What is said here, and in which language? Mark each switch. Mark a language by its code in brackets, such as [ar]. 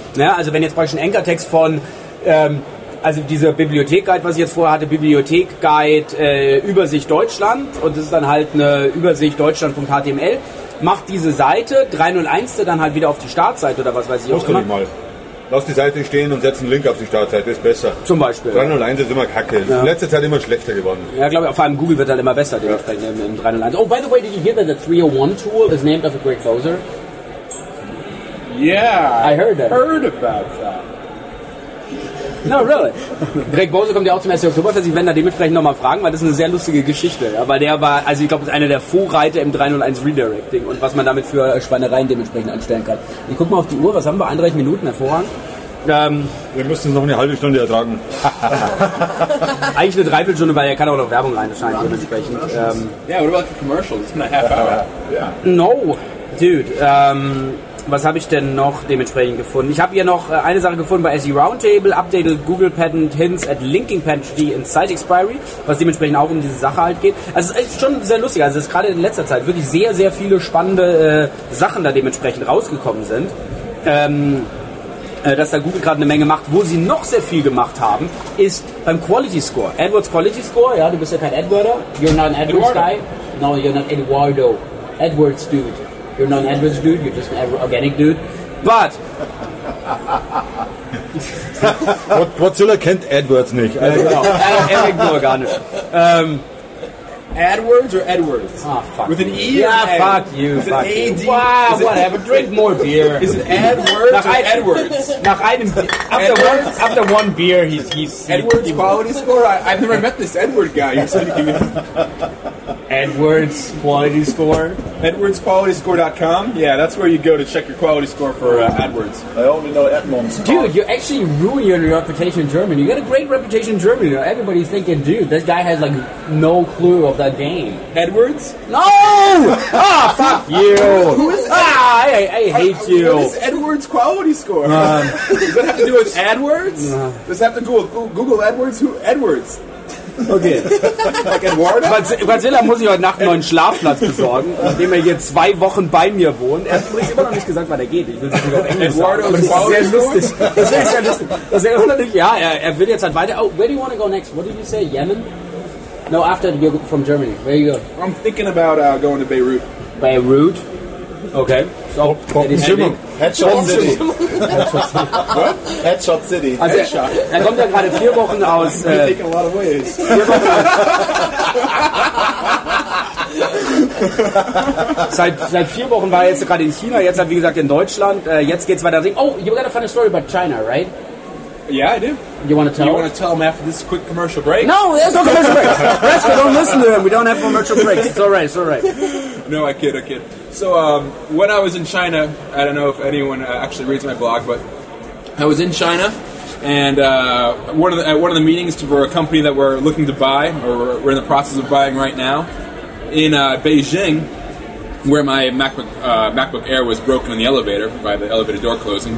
[de] Ja, also wenn jetzt beispielsweise ein Anchor-Text von, also dieser Bibliothek-Guide, was ich jetzt vorher hatte, Bibliothek-Guide Übersicht Deutschland, und das ist dann halt eine Übersicht Deutschland.html, macht diese Seite 301 dann halt wieder auf die Startseite oder was weiß ich auch immer. Lass die Seite stehen und setz einen Link auf die Startseite, ist besser. Zum Beispiel. 301 ist immer kacke. Ja. In letzter Zeit immer schlechter geworden. Ja, glaube ich, vor allem Google wird halt immer besser, dementsprechend ja. In 301. [en] Oh, by the way, did you hear that the 301 tool is named after Greg Closer? Yeah. I heard it. Heard about that. No, really. [de] Greg Bose kommt ja auch zum 1. Oktober, also ich werde da dementsprechend nochmal fragen, weil das ist eine sehr lustige Geschichte. Aber der war, also ich glaube, ist einer der Vorreiter im 301 Redirecting und was man damit für Schweinereien dementsprechend anstellen kann. Ich guck mal auf die Uhr, was haben wir? 31 Minuten, hervorragend. Wir müssen es noch eine halbe Stunde ertragen. Eigentlich eine Dreiviertelstunde, weil er kann auch noch Werbung rein, erscheinen dementsprechend. [en] Yeah, what about the commercials? It's been a half hour. Yeah. No, dude, [de] was habe ich denn noch dementsprechend gefunden? Ich habe hier noch eine Sache gefunden bei SE Roundtable. Updated Google Patent Hints at Linking Pantry in Site Expiry, was dementsprechend auch um diese Sache halt geht. Also es ist schon sehr lustig. Also es ist gerade in letzter Zeit wirklich sehr, sehr viele spannende Sachen da dementsprechend rausgekommen sind. Dass da Google gerade eine Menge macht. Wo sie noch sehr viel gemacht haben, ist beim Quality Score. AdWords Quality Score, ja, du bist ja kein AdWorder. [en] You're not an AdWords guy. No, you're not Eduardo. AdWords dude. You're not an AdWords dude, you're just an organic dude. But... [de] Godzilla kennt AdWords nicht. Eric nur gar nicht. [en] AdWords or Edwards? Ah, oh, fuck. With an E? Yeah, fuck you. With an A-D? Wow, whatever. Drink more beer. Is it AdWords or Edwards? [de] Nach einem [en] after one beer, he's... Edwards quality score? I've never met this Edward guy. You're sending him... Edwards quality score? EdwardsQualityScore.com? Yeah, that's where you go to check your quality score for AdWords. I only know Edmonds. Dude, you actually ruined your reputation in Germany. You got a great reputation in Germany. Everybody's thinking, dude, this guy has like no clue of that game. Edwards? No! Ah, oh, fuck you! Who is I hate you. What is Edwards quality score? Does that have to do with AdWords? Does that have to do with Google AdWords? Who? Edwards. Okay. [de] Godzilla muss ich heute Nacht einen neuen Schlafplatz besorgen, nachdem er hier zwei Wochen bei mir wohnt. Er hat übrigens immer noch nicht gesagt, wann er geht. Ich will es nicht auf Englisch Eduardo sagen. Aber das ist sehr lustig. Das ist sehr lustig. Das ist sehr lustig. Ja, er will jetzt halt weiter. [en] Oh, where do you want to go next? What did you say? Yemen? No, after you're from Germany. Where you go? I'm thinking about going to Beirut. Beirut? Okay. So, Headshot City. Headshot City. [de] Also, er kommt ja gerade vier Wochen aus. [en] Taking a lot of ways. [de] Seit vier Wochen war er jetzt gerade in China, jetzt hat wie gesagt in Deutschland. Jetzt geht's weiter. [en] Oh, you got a funny story about China, right? Yeah, I do. You want to tell them? You want to tell them after this quick commercial break? No, there's no commercial break. Let's go, don't listen to them. We don't have commercial breaks. It's all right. No, I kid. So when I was in China, I don't know if anyone actually reads my blog, but I was in China, and at one of the meetings for a company that we're looking to buy, or we're in the process of buying right now, in Beijing, where my MacBook Air was broken in the elevator by the elevator door closing.